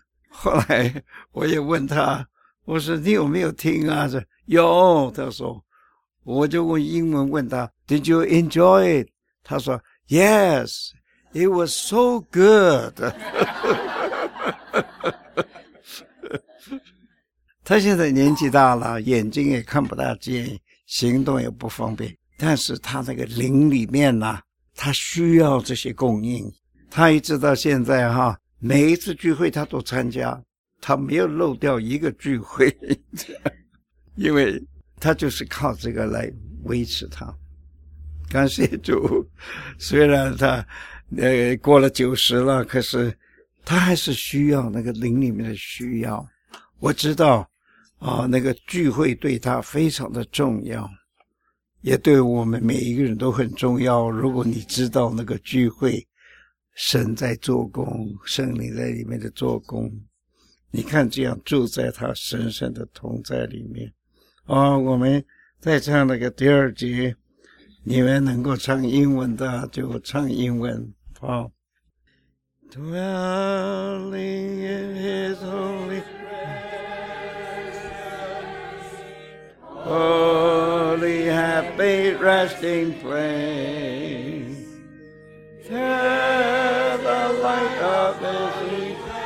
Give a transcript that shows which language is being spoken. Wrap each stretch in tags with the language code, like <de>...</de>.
<zh>后来我也问他，我说你有没有听啊，有，他说，我就用英文问他</zh> <en>Did you enjoy it？他说 Yes, it was so good。</en> <zh>他现在年纪大了，眼睛也看不大见，行动也不方便，但是他那个灵里面呢，他需要这些供应，他一直到现在哈，每一次聚会他都参加，他没有漏掉一个聚会。因为他就是靠这个来维持他。感谢主，虽然他过了九十了，可是他还是需要那个灵里面的需要。我知道啊，那个聚会对他非常的重要，也对我们每一个人都很重要。如果你知道那个聚会，神在做工，圣灵在里面的做工，你看这样住在他神圣的同在里面啊，我们再唱那个第二节，你们能够唱英文的就唱英文，好。</zh> <en>Dwelling in His holy Holy happy resting place The light of His</en>